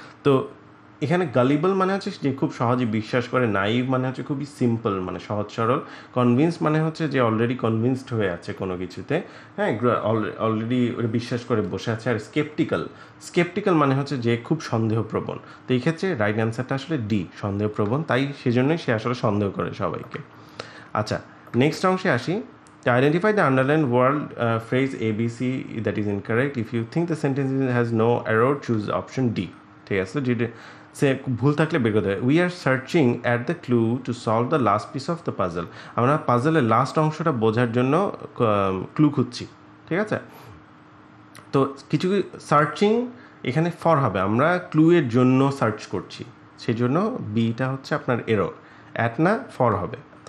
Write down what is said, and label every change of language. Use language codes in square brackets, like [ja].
[bn] তো এখানে গালিবল মানে হচ্ছে যে খুব সহজে বিশ্বাস করে, নাইভ মানে হচ্ছে খুবই সিম্পল মানে সহজ সরল, কনভিন্স মানে হচ্ছে যে অলরেডি কনভিন্সড হয়ে আছে কোনো কিছুতে, হ্যাঁ, অলরেডি ওরা বিশ্বাস করে বসে আছে, আর স্কেপটিক্যাল, স্কেপটিক্যাল মানে হচ্ছে যে খুব সন্দেহপ্রবণ। তো এই ক্ষেত্রে রাইট অ্যান্সারটা আসলে ডি, সন্দেহপ্রবণ, তাই সেজন্যই সে আসলে সন্দেহ করে সবাইকে। আচ্ছা, নেক্সট অংশে আসি। [en] To identify the underlined word phrase ABC that is incorrect, if you think the sentence has no error, choose option D. [bn] ঠিক আছে, যদি সে ভুল থাকলে বের করতে হবে। [en] we are searching at the clue to solve the last piece of the puzzle, [bn] আমরা পাজলের last অংশটা বোঝার জন্য ক্লু খুঁজছি, ঠিক আছে? তো কিছু সার্চিং এখানে ফর হবে, আমরা ক্লু এর জন্য সার্চ করছি, সেই জন্য বিটা হচ্ছে আপনার এরর, অ্যাট না, ফর হবে।